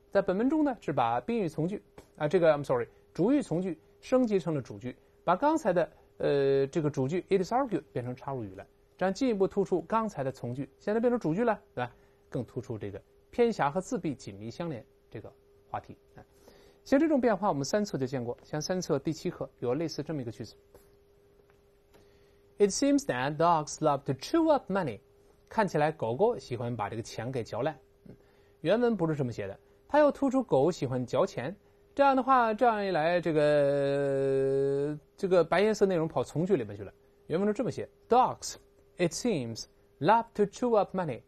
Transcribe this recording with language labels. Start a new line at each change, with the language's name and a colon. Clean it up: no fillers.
Chinese: 在本文中呢，是把宾语从句啊，这个
English: I'm sorry，
Chinese: 主语从句升级成了主句，把刚才的这个主句 it is argued 变成插入语了，这样进一步突出刚才的从句，现在变成主句了，对吧？更突出这个偏狭和自闭紧密相连这个话题。像这种变化我们三册就见过，像三册第七课有类似这么一个句子。
English: It seems that dogs love to chew up money.
Chinese: 看起来狗狗喜欢把这个钱给嚼烂。原文不是这么写的，它要突出狗喜欢嚼钱。这样的话，这样一来，这个白颜色内容跑从句里面去了。原文是这么写
English: ,dogs, it seems, love to chew up money.